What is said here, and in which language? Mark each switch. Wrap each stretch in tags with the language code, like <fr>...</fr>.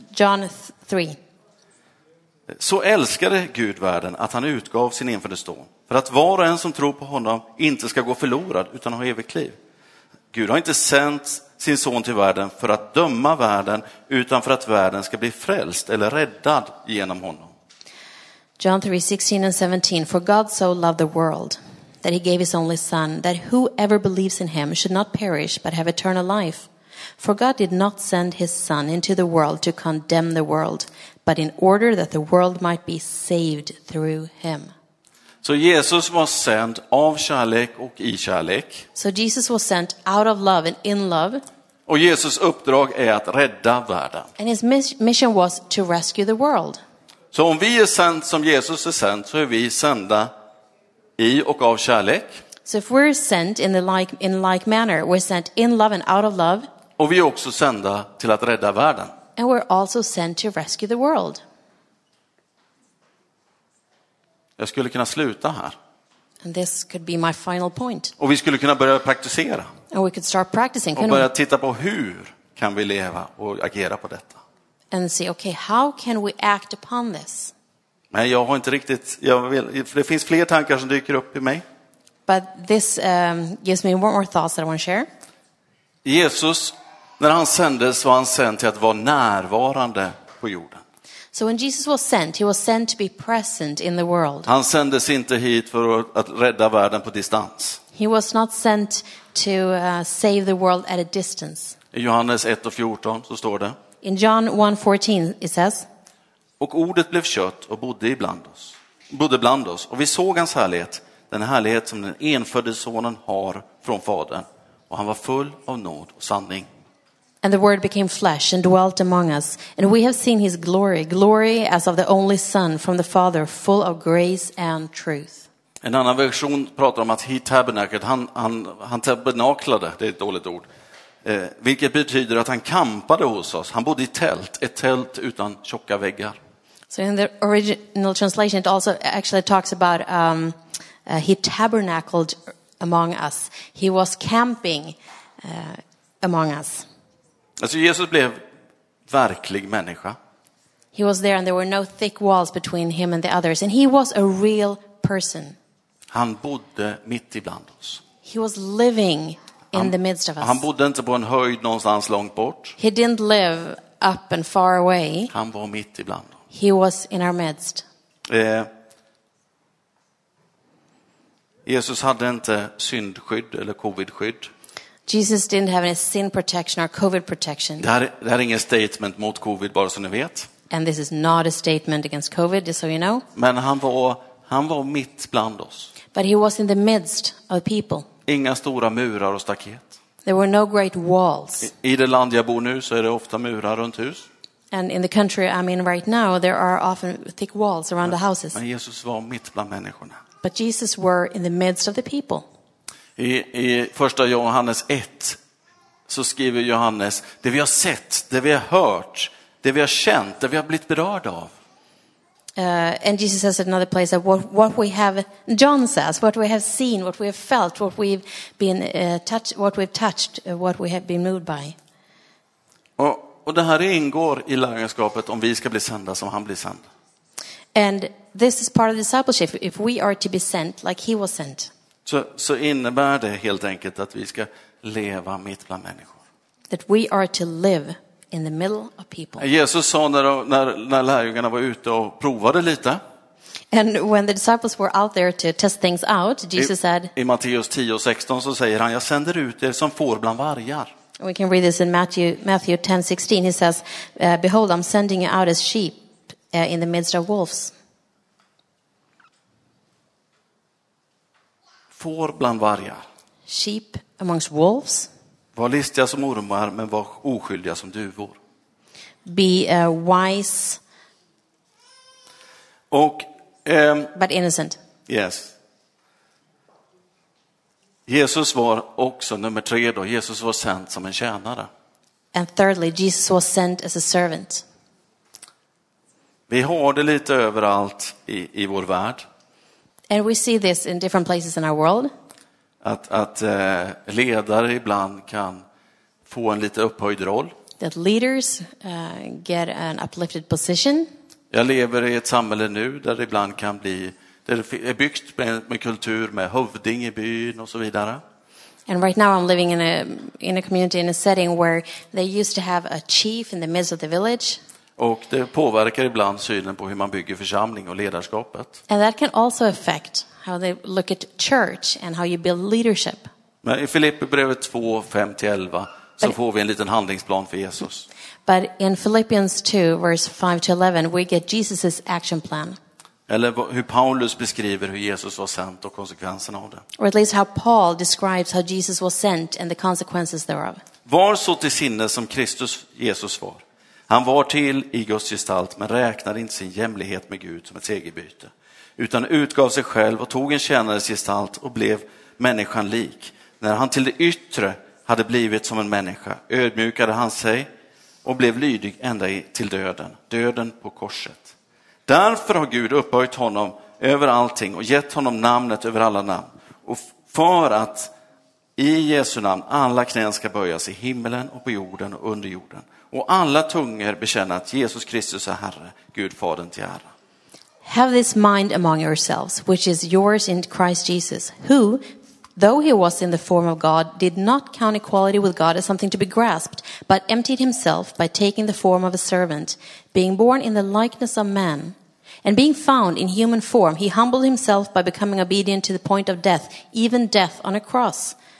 <en>John 3.</en> <sv>Så älskade Gud världen att han utgav sin enfödde son, för att var och en som tror på honom inte ska gå förlorad utan ha evigt liv. Gud har inte sänt sin son till världen för att döma världen utan för att världen ska bli frälst eller räddad genom honom.</sv> <en>John 3:16-17. For God so loved the world that he gave his only son, that whoever believes in him should not perish but have eternal life. For God did not send his son into the world to condemn the world, but in order that the world might be saved through him.</en> <sv>Så Jesus var sänd av kärlek och i kärlek.</sv> <en>So Jesus was sent out of love and in love.</en> <sv>Och Jesus uppdrag är att rädda världen.</sv> <en>And his mission was to rescue the world.</en> <sv>Så om vi är sänd som Jesus är sänd, så är vi sända i och av kärlek.</sv> <en>So if we're sent in like manner, we're sent in love and out of love.</en> <sv>Och vi är också sända till att rädda världen.</sv> <en>And we're also sent to rescue the world.</en> <sv>Jag skulle kunna sluta här.</sv> <en>And this could be my final point.</en> <sv>Och vi skulle kunna börja praktisera.</sv> <en>And we could start practicing.</en> <sv>Och börja titta på hur kan vi leva och agera på detta.</sv> <en>And see, okay, how can we act upon this?</en> <sv>Men jag har inte riktigt, jag vill, det finns fler tankar som dyker upp i mig.</sv> <en>But this gives me one more thoughts that I want to share.</en> <sv>Jesus, när han sändes var han sänd till att vara närvarande på jorden.</sv> <en>So when Jesus was sent, he was sent to be present in the world.</en> <sv>Han sändes inte hit för att rädda världen på distans.</sv> <en>He was not sent to save the world at a distance.</en> <sv>I Johannes 1:14 så står det.</sv> <en>In John 1:14 it says.</en> <sv>Och ordet blev kött och bodde bland oss. Och vi såg hans härlighet, den härlighet som den enfödde sonen har från fadern. Och han var full av nåd och sanning.</sv> <en>And the word became flesh and dwelt among us. And we have seen his glory, glory as of the only son from the father, full of grace and truth.</en> <sv>En annan version pratar om att</sv> <en>he tabernacled,</en> <sv>han tabernaklade, det är ett dåligt ord. Vilket betyder att han kampade hos oss. Han bodde i tält, ett tält utan tjocka väggar.</sv> <en>So in the original translation it also actually talks about he tabernacled among us. He was camping among us.</en> <sv>Alltså Jesus blev verklig människa.</sv> <en>He was there and there were no thick walls between him and the others, and he was a real person.</en> <sv>Han bodde mitt ibland oss.</sv> <en>He was living in the midst of us.</en> <sv>Han bodde inte på en höjd någonstans långt bort.</sv> <en>He didn't live up and far away.</en> <sv>Han var mitt ibland.</sv> <en>He was in our midst.</en> <sv>Jesus hade inte syndskydd eller covidskydd.</sv> <en>Jesus didn't have any sin protection or covid protection.</en> <sv>Det här är ingen statement mot covid, bara så ni vet.</sv> <en>And this is not a statement against covid, just so you know.</en> <sv>Men han var mitt bland oss.</sv> <en>But he was in the midst of people.</en> <sv>Inga stora murar och staket.</sv> <en>There were no great walls.</en> <sv>I det land jag bor nu så är det ofta murar runt hus.</sv> <en>And in the country I'm in right now there are often thick walls around the houses.</en> <sv>Men Jesus var mitt bland människorna.</sv> <en>But Jesus were in the midst of the people.</en> <sv>I första Johannes 1 så skriver Johannes, det vi har sett, det vi har hört, det vi har känt, det vi har blivit berörda av.</sv> <en>And Jesus says at another place that what we have, John says, what we have seen, what we have felt, what we've been touched, what we've touched, what we have been moved by.</en> <sv>Och det här ingår i lärjungaskapet om vi ska bli sända som han blir sänd.</sv> <en>And this is part of discipleship. If we are to be sent like he was sent.</en> <sv>Så innebär det helt enkelt att vi ska leva mitt bland människor.</sv> <en>That we are to live in the middle of people.</en> <sv>Jesus sa när lärjungarna var ute och provade lite.</sv> <en>And when the disciples were out there to test things out, Jesus said.</en> <sv>I Matteus 10:16 så säger han, jag sänder ut er som får bland vargar.</sv> <en>We can read this in Matthew 10:16. He says, behold, I'm sending you out as sheep in the midst of wolves.</en> <sv>Får bland vargar.</sv> <en>Sheep amongst wolves.</en> <sv>Var listiga som ormar, men var oskyldiga som duvor.</sv> <en>Be wise.</en> <sv>Och,</sv> <en>but innocent. Yes.</en> <sv>Jesus var också nummer tre då. Jesus var sent som en tjänare.</sv> <en>And thirdly, Jesus was sent as a servant.</en> <sv>Vi har det lite överallt i vår värld.</sv> <en>And we see this in different places in our world.</en> <sv>Att ledare ibland kan få en lite upphöjd roll.</sv> <en>That leaders get an uplifted position.</en> <sv>Jag lever i ett samhälle nu där det ibland kan bli, där det är byggt med kultur med hövding i byn och så vidare.</sv> <en>And right now I'm living in a community, in a setting where they used to have a chief in the midst of the village.</en> <sv>Och det påverkar ibland synen på hur man bygger församling och ledarskapet.</sv> <en>And that can also affect how they look at church and how you build leadership.</en> <sv>Men i Filipperbrevet 2:5-11 så får vi en liten handlingsplan för Jesus.</sv> <en>But in Philippians 2 verse 5-11 we get Jesus's action plan.</en> <sv>Eller hur Paulus beskriver hur Jesus var sent och konsekvenserna av det.</sv> <en>Or at least how Paul describes how Jesus was sent and the consequences thereof.</en> <sv>Var så till sinne som Kristus Jesus var. Han var till i Guds gestalt men räknade inte sin jämlikhet med Gud som ett segerbyte. Utan utgav sig själv och tog en tjänares gestalt och blev människan lik. När han till det yttre hade blivit som en människa ödmjukade han sig och blev lydig ända till döden. Döden på korset. Därför har Gud upphöjt honom över allting och gett honom namnet över alla namn. Och för att i Jesu namn alla knän ska böjas i himmelen och på jorden och under jorden. Och alla tungor bekänna att Jesus Kristus är Herre, Gud Fadern till ära.</sv> <en>Have this mind among yourselves, which is yours in Christ Jesus, who, though he was in the form of God, did not count equality with God as something to be grasped, but emptied himself by taking the form of a servant, being born in the likeness of man. And being found in human form, he humbled himself by becoming obedient to the point of death, even death on a cross.</en>